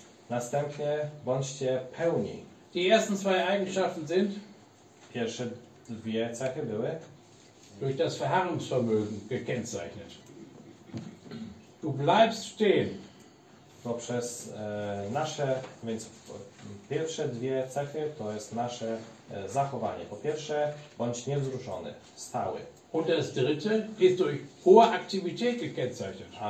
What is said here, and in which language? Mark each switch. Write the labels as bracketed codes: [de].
[pl] Następnie bądźcie pełni. [de] Die ersten zwei Eigenschaften sind. [pl] Pierwsze dwie cechy były. [de] Durch das Verharrungsvermögen gekennzeichnet. Du bleibst stehen. [pl] Poprzez nasze. Więc pierwsze dwie cechy to jest nasze zachowanie. Po pierwsze, bądź niewzruszony, stały. [de] Und das dritte ist durch hohe Aktivität gekennzeichnet.